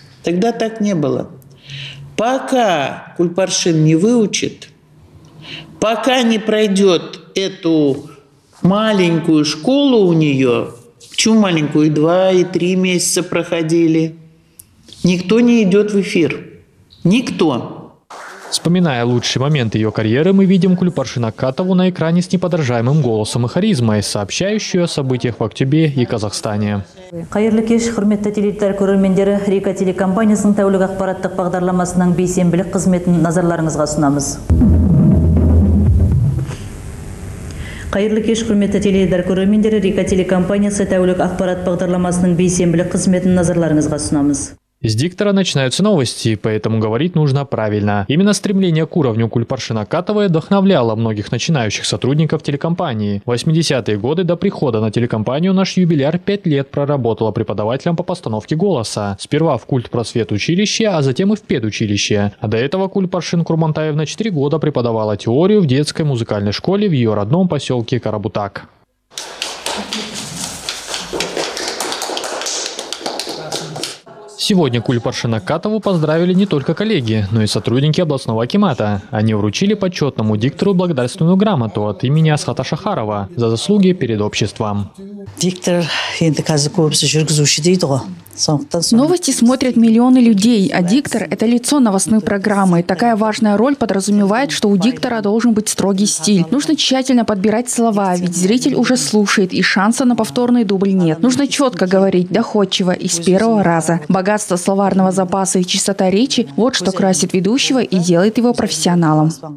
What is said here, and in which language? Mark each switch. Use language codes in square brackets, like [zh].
[ru] Тогда так не было. Пока Кульпаршин не выучит, пока не пройдет эту маленькую школу у нее, чу маленькую, и 2, и 3 месяца проходили, никто не идет в эфир. Никто. Вспоминая лучший момент ее карьеры, мы видим Кульпаршин Акатову на экране с неподражаемым голосом и харизмой, сообщающую о событиях в Актюбе и Казахстане. [kk] Қайырлы кеш, құрметті теледидар көрермендері, Рика телекомпаниясының тәулік ақпараттық бағдарламасының бейсенбілік қызметін назарларыңызға ұсынамыз. Қайырлы кеш, құрметті теледидар көрермендері, Рика телекомпаниясы тәулік ақпарат бағдарламасының бейсенбілік қызметін назарларыңызға ұсынамыз. [ru] С диктора начинаются новости, поэтому говорить нужно правильно. Именно стремление к уровню Кульпаршин Акатовой вдохновляло многих начинающих сотрудников телекомпании. В 80-е годы до прихода на телекомпанию наш юбиляр 5 лет проработала преподавателем по постановке голоса. Сперва в культпросвет училище, а затем и в педучилище. А до этого Кульпаршин Курмантаевна 4 года преподавала теорию в детской музыкальной школе в ее родном поселке Карабутак. Сегодня Кульпаршин Акатову поздравили не только коллеги, но и сотрудники областного акимата. Они вручили почетному диктору благодарственную грамоту от имени Асхата Шахарова за заслуги перед обществом. [kk] Диктор, енді қазір көбісі жүргізуші дейді ғой. [ru] Новости смотрят миллионы людей, а диктор – это лицо новостной программы. Такая важная роль подразумевает, что у диктора должен быть строгий стиль. Нужно тщательно подбирать слова, ведь зритель уже слушает, и шанса на повторный дубль нет. Нужно четко говорить, доходчиво и с первого раза. Богатство словарного запаса и чистота речи – вот что красит ведущего и делает его профессионалом.